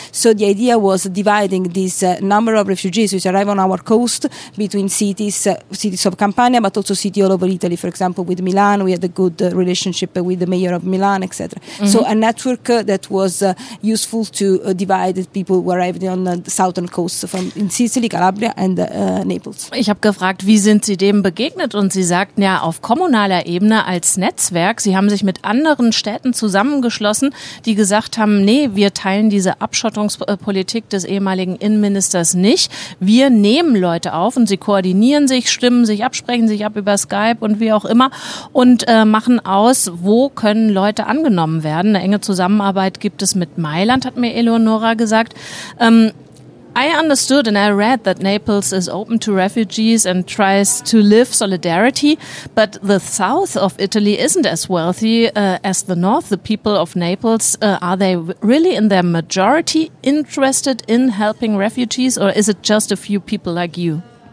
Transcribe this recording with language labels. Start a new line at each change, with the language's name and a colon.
English: So the idea was dividing this number of refugees which arrive on our coast between cities, cities of Campania, but also cities all over Italy. For example, with Milan, we had a good relationship with the mayor of Milan, etc. So a network that was useful to divide people who arrived on the southern coast from in Sicily, Calabria and Naples.
German: Ich habe gefragt, wie sind Sie dem begegnet? Und Sie sagten ja, auf kommunaler Ebene als Netzwerk. Sie haben sich mit anderen Städten zusammengeschlossen, die gesagt haben, nee, wir teilen diese Abschottungspolitik des ehemaligen Innenministers nicht. Wir nehmen Leute auf, und sie koordinieren sich, stimmen sich ab, sprechen sich ab über Skype und wie auch immer, und machen aus, wo können Leute angenommen werden. Eine enge Zusammenarbeit gibt es mit Mailand, hat mir Eleonora gesagt.
English: I understood and I read that Naples is open to refugees and tries to live solidarity, but the south of Italy isn't as wealthy as the north. The people of Naples, are they really in their majority interested in helping refugees, or is it just a few people like you?